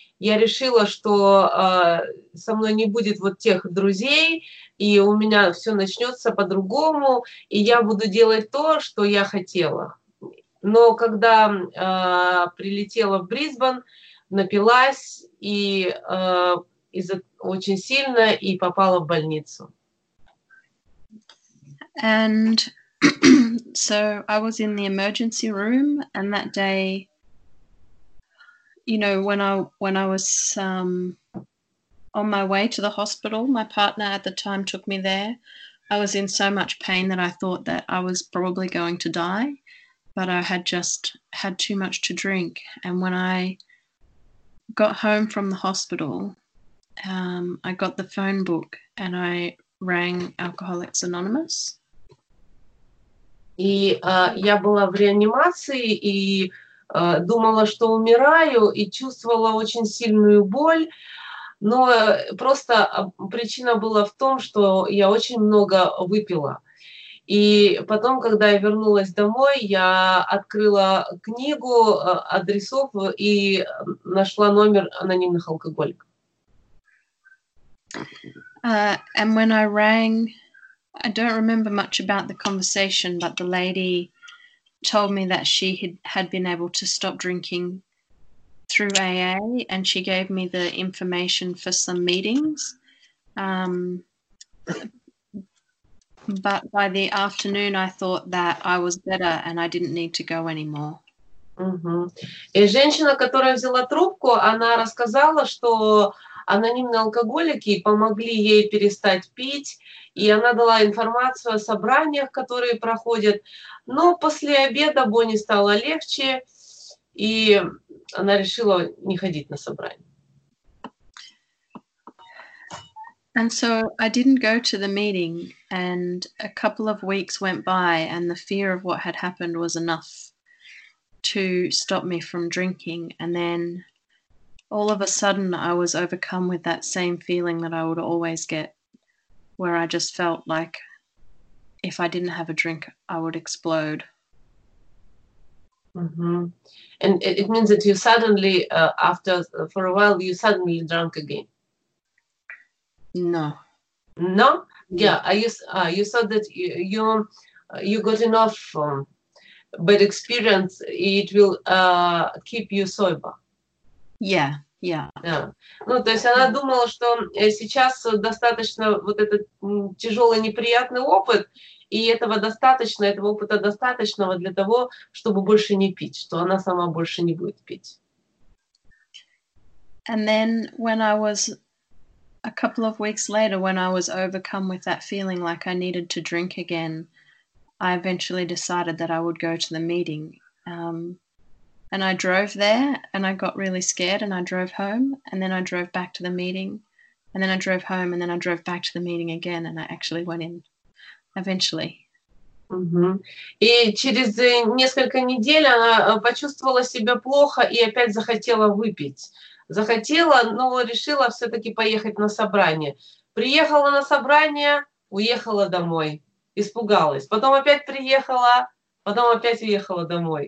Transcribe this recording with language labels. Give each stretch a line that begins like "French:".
Russian: Я решила, что со мной не будет вот тех друзей, и у меня все начнется по-другому, и я буду делать то, что я хотела. Но когда прилетела в Брисбен, напилась и очень сильно и попала в больницу.
English: And so I was in the emergency room, and that day, you know, when I was on my way to the hospital, my partner at the time took me there. I was in so much pain that I thought that I was probably going to die, but I had just had too much to drink. And when I got home from the hospital, I got the phone book and I rang Alcoholics Anonymous.
Russian: И я была в реанимации и думала, что умираю, и чувствовала очень сильную боль, но просто причина была в том, что я очень много выпила. И потом, когда я вернулась домой, я открыла книгу адресов и нашла номер анонимных алкоголиков.
English: And when I rang, I don't remember much about the conversation, but the lady told me that she had been able to stop drinking through AA, and she gave me the information for some meetings. But by the afternoon, I thought that I was better and I didn't need to go anymore.
Russian: И женщина, которая взяла трубку, она рассказала, что анонимные алкоголики помогли ей перестать пить, и она дала информацию о собраниях, которые проходят. Но после обеда Бонни стало легче, и она решила не ходить на собрания.
English: And so I didn't go to the meeting, and a couple of weeks went by, and the fear of what had happened was enough to stop me from drinking. And then all of a sudden I was overcome with that same feeling that I would always get, where I just felt like if I didn't have a drink, I would explode. And it means that you suddenly, for a while, you suddenly drank again. No. No? Yeah. You saw that you got enough bad experience, it will keep you sober. Yeah. Yeah.
Russian: Ну, то есть она думала, что сейчас достаточно вот этот тяжелый неприятный опыт, и этого достаточно, этого опыта достаточного для того, чтобы больше не пить, что она сама больше не будет пить.
English: And then when I was a couple of weeks later, when I was overcome with that feeling like I needed to drink again, I eventually decided that I would go to the meeting. And I drove there, and I got really scared, and I drove home, and then I drove back to the meeting. And then I drove home, and then I drove back to the meeting again, and I actually went in eventually.
Russian: И через несколько недель она почувствовала себя плохо и опять захотела выпить. Захотела, но решила все-таки поехать на собрание. Приехала на собрание, уехала домой, испугалась. Потом опять приехала, потом опять уехала домой.